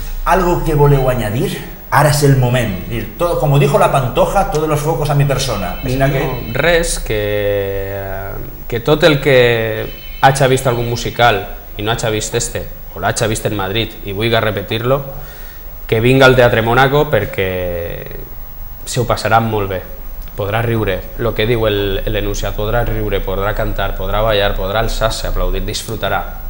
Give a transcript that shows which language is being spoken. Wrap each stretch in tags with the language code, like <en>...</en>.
<ca>Algo que voleu añadir, ara és el moment.</ca> <es>Todo, como dijo la Pantoja, todos los focos a mi persona. No, que...</es> <ca>Res, que tot el que hagi vist algun musical i no hagi vist este, o l'hagi vist en Madrid i vulgui repetir-lo, que vinga al Teatre Mònaco perquè se ho passarà molt bé. Podrà riure, el que diu l'enunciat, podrà riure, podrà cantar, podrà ballar, podrà alçar-se, aplaudir, disfrutarà.</ca>